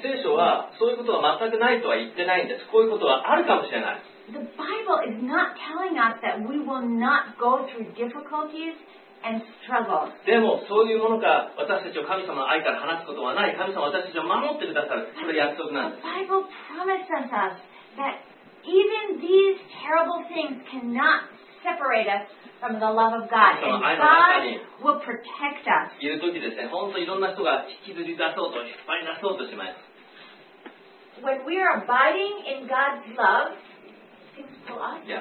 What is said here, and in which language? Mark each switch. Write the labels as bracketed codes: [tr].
[ja] 聖書はそういうことは全くないとは言ってないんです。こういうことはあるかもしれない。 [en] The Bible is not telling us that we will not go through difficulties and struggles. [ja] でもそういうものが私たちを神様の愛から離すことはない。神様は私たちを守ってくださる。それ約束なんです。 [en] The Bible promises us. That even these terrible things cannot separate us from the love of God. And God will protect us. [ja] いう時ですね、本当にいろんな人が引きずり出そうと、引っ張り出そうとします。 [en] When we are abiding in God's love, things pull us.